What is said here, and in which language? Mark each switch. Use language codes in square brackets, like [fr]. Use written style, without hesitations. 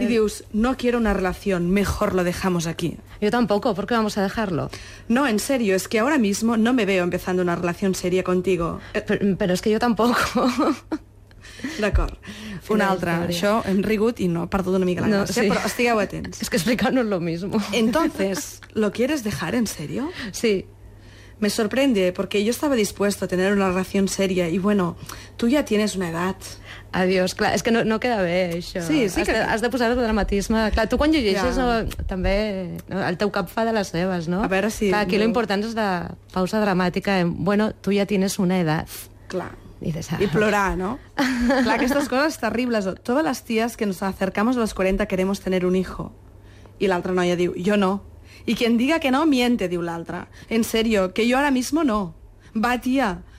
[ca] I dius, [es] no quiero una relación, mejor lo dejamos aquí. Yo tampoco, ¿por qué vamos a dejarlo? No, en serio, es que ahora mismo no me veo empezando una relación seria contigo. Pero es que yo tampoco... [ca] D'acord. Una altra. Això hem rigut i no ha perdut una mica la gràcia, però estigueu atents. És que explicant-nos lo mismo. [es] Entonces, ¿lo quieres dejar en serio? Sí. Me sorprende, porque yo estaba dispuesto a tener una relación seria y bueno, tú ya tienes una edad. [ca] Adiós, clar, és que no queda bé, això. Sí, que... Has de posar el dramatisme. Clar, tu quan llegeixes, ja. també el teu cap fa de les seves, no? A veure si... Clar, aquí l'important és la pausa dramàtica. [es] Bueno, tú ya tienes una edad. [ca] Clar. Y plorar, ¿no? [es] Claro, que estas cosas terribles. Todas las tías que nos acercamos a los 40 queremos tener un hijo. Y la otra noia diu, yo no. Y quien diga que no, miente, diu la otra. En serio, que yo ahora mismo no. Va, tía,